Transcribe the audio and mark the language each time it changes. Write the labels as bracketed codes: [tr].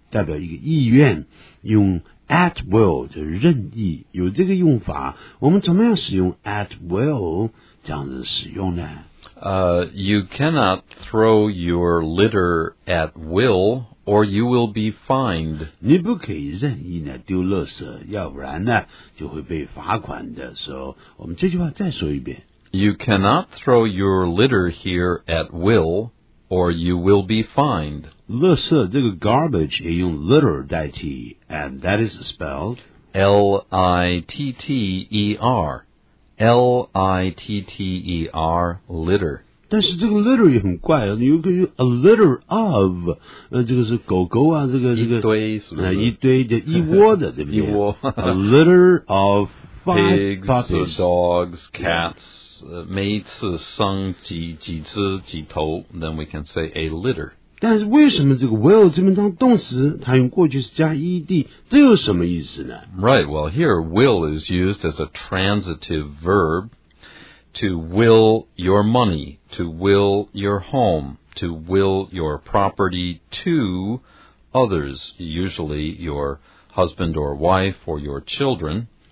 [zh] 代表一个意愿，用 at will 就是任意，有这个用法。我们怎么样使用 at will 这样子使用呢？ [en] You cannot throw your litter at will, or you will be fined. [zh] 你不可以任意呢丢垃圾，要不然呢就会被罚款的。所以，我们这句话再说一遍。 [en] You cannot throw your litter here at will. Or you will be fined. [zh] 垃圾这个 garbage 也用 litter 代替 [en] and that is spelled L-I-T-T-E-R. L-I-T-T-E-R, litter. [zh] 但是这个 litter 也很怪，有个 [en] a litter of, [zh] 这个是狗狗啊，这个一堆是不是？一堆的一窝的，对不对？一窝。 [en] A litter of five pigs, puppies. Dogs, cats. [zh] 每一次生几只几头 [en] then we can say a litter. [zh] 但是为什么这个 will 这边当动词它用过去式加 ed 这有什么意思呢 [en] Right, well here will is used as a transitive verb to will your money, to will your home, to will your property to others, usually your husband or wife or your children.